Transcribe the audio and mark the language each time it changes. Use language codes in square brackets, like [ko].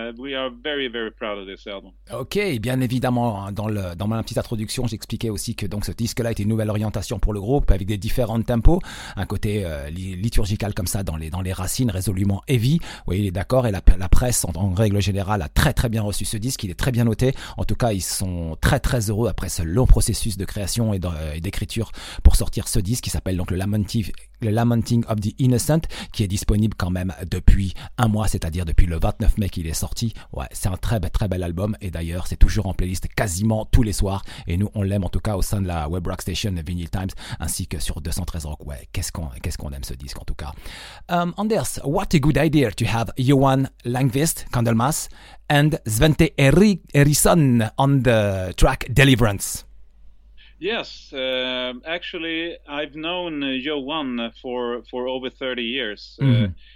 [en] We are very very proud of this album. [fr] Ok, bien évidemment, dans ma petite introduction, j'expliquais aussi que donc ce disque-là était une nouvelle orientation pour le groupe avec des différents tempos, un côté liturgical comme ça dans les racines, résolument heavy. Oui, il est d'accord. Et la presse en règle générale a très très bien reçu ce disque. Il est très bien noté. En tout cas, ils sont très très heureux après ce long processus de création et d'écriture pour sortir ce disque qui s'appelle donc le Lamenting of the Innocent, qui est disponible quand même depuis un mois, c'est-à-dire depuis le 29 mai qu'il est sorti. Ouais, c'est un très très bel album, et d'ailleurs c'est toujours en playlist quasiment tous les soirs, et nous on l'aime en tout cas au sein de la Web Rock Station Vinyl Times ainsi que sur 213 Rock. Ouais, qu'est-ce qu'on aime ce disque en tout cas. [en] Anders, what a good idea to have Johan Langqvist, Candlemass, and Svante Eriksson on the track Deliverance. Yes, actually, I've known Johan for over 30 years. Mm-hmm.